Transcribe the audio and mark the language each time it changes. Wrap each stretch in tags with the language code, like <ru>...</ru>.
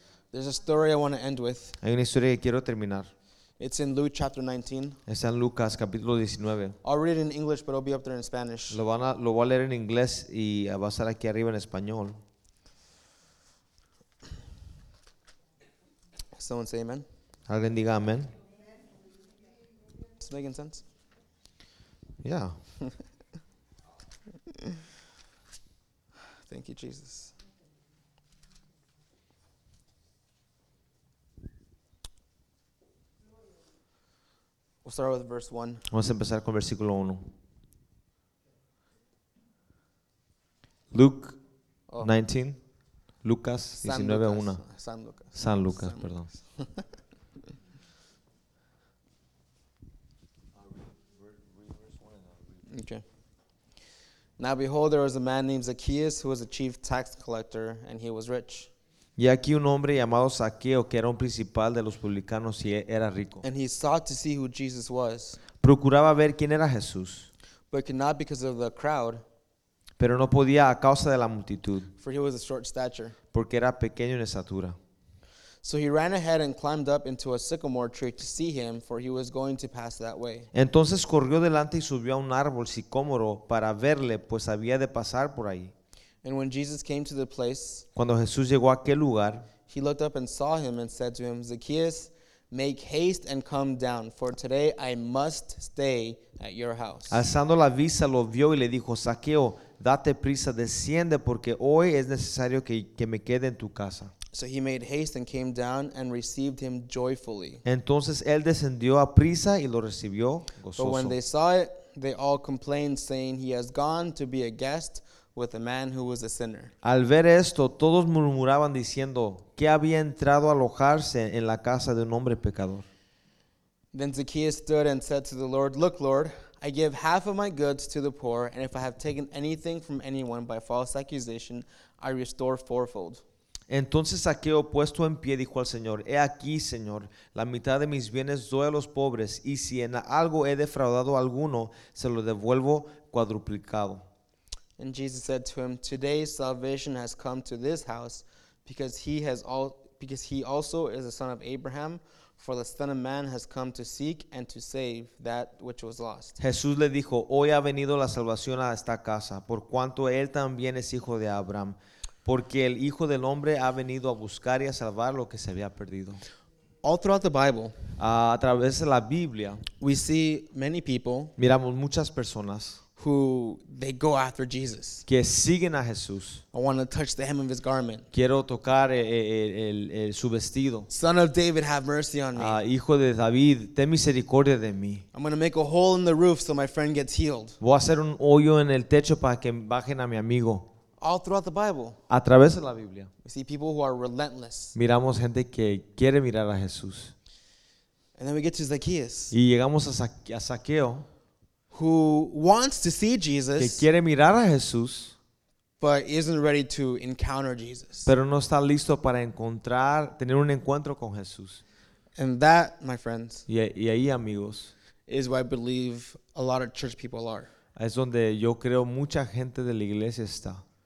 <en>There's a story I want to end with.</en> <es>Hay una historia que quiero terminar.</es> <en>It's in Luke chapter 19.</en> <es>Está en Lucas capítulo 19.</es> <en>I'll read it in English, but it'll be up there in Spanish.</en> <es>Lo voy a leer en inglés y va a estar aquí arriba en español.</es> <en>Someone say amen.</en> <es>Alguien diga amen.</es> <en>It's making sense. Yeah. Thank you, Jesus. We'll start with verse 1.</en> <es>Vamos a empezar con versículo 1.</es> <en>Luke 19. Lucas 19:1.</en> <es>San Lucas. San Lucas, perdón.</es> <en>Okay. Now behold, there was a man named Zacchaeus who was a chief tax collector, and he was rich.</en> <es>Y aquí un hombre llamado Zaqueo, que era un principal de los publicanos y era rico.</es> <en>And he sought to see who Jesus was.</en> <es>Procuraba ver quién era Jesús.</es> <en>But not because of the crowd.</en> <es>Pero no podía a causa de la multitud.</es> <en>For he was a short stature.</en> <es>Porque era pequeño en estatura.</es> <en>So he ran ahead and climbed up into a sycamore tree to see him, for he was going to pass that way.</en> <es>Entonces corrió delante y subió a un árbol sicómoro para verle, pues había de pasar por ahí.</es> <en>And when Jesus came to the place,</en> <es>cuando Jesús llegó a aquel lugar,</es> <en>he looked up and saw him and said to him, Zacchaeus, make haste and come down, for today I must stay at your house.</en> <es>Alzando la vista lo vio y le dijo, Zaqueo, date prisa, desciende, porque hoy es necesario que me quede en tu casa.</es> <en>So he made haste and came down and received him joyfully.</en> <es>Entonces él descendió a prisa y lo recibió gozoso.</es> <en>But when they saw it, they all complained, saying, he has gone to be a guest with a man who was a sinner.</en> <es>Al ver esto, todos murmuraban diciendo que había entrado a alojarse en la casa de un hombre pecador.</es> <en>Then Zacchaeus stood and said to the Lord, look, Lord, I give half of my goods to the poor, and if I have taken anything from anyone by false accusation, I restore fourfold.</en> <es>Entonces Zaqueo, puesto en pie, dijo al Señor, he aquí, Señor, la mitad de mis bienes doy a los pobres, y si en algo he defraudado a alguno, se lo devuelvo cuadruplicado.</es> <en>And Jesus said to him, today salvation has come to this house, because he also is a son of Abraham, for the Son of Man has come to seek and to save that which was lost.</en> <es>Jesús le dijo, hoy ha venido la salvación a esta casa, por cuanto él también es hijo de Abraham, porque el Hijo del Hombre ha venido a buscar y a salvar lo que se había perdido.</es> <en>All throughout the Bible,</en> <es>a través de la Biblia,</es> <en>we see many people,</en> <es>miramos muchas personas,</es> <en>who they go after Jesus.</en> <es>Que siguen a Jesús.</es> <en>I want to touch the hem of his garment.</en> <es>Quiero tocar el su vestido.</es> <en>Son of David, have mercy on me.</en> <es>Hijo de David, ten misericordia de mí.</es> <en>I'm going to make a hole in the roof so my friend gets healed.</en> <es>Voy a hacer un hoyo en el techo para que bajen a mi amigo.</es> <en>All throughout the Bible.</en> <es>A través de la Biblia.</es> <en>We see people who are relentless.</en> <es>Miramos gente que quiere mirar a Jesús.</es> <en>And then we get to Zacchaeus.</en> <es>Y llegamos a Zaqueo.</es> <en>Who wants to see Jesus,</en> <es>que quiere mirar a Jesús,</es> <en>but isn't ready to encounter Jesus.</en> <es>Pero no está listo para encontrar, tener un encuentro con Jesús.</es> <en>And that, my friends,</en> <es>y ahí, amigos,</es> <en>is where I believe a lot of church people are.</en> <es>Es donde yo creo mucha gente de la iglesia está.</es>